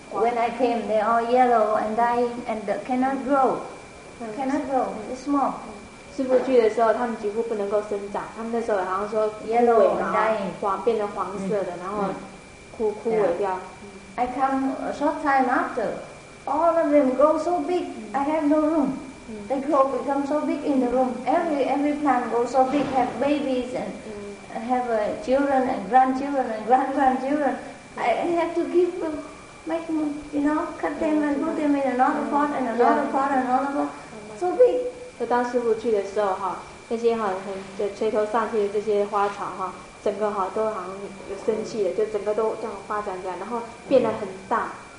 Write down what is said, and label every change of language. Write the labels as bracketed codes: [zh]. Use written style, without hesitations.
[en] When I came, they are yellow and dying and cannot grow, cannot grow, it's small. [zh] 师父去的时候，他们几乎不能够生长，他们那时候好像说 [en] yellow and dying， [zh] 黄变成黄色的，然后枯萎掉。 [en] I come a short time after, all of them grow so big, I have no room. They grow become so big in the room. Every plant grow so big, have babies and have children and grandchildren and grandchildren. I have to keep them, make them, you know, cut them and put them in another pot and another pot and another pot. So big. [zh] 就当师父去的时候哈，那些哈很就垂头丧气的这些花草哈，整个哈都好像有生气的，就整个都这样发展起来，然后变得很大。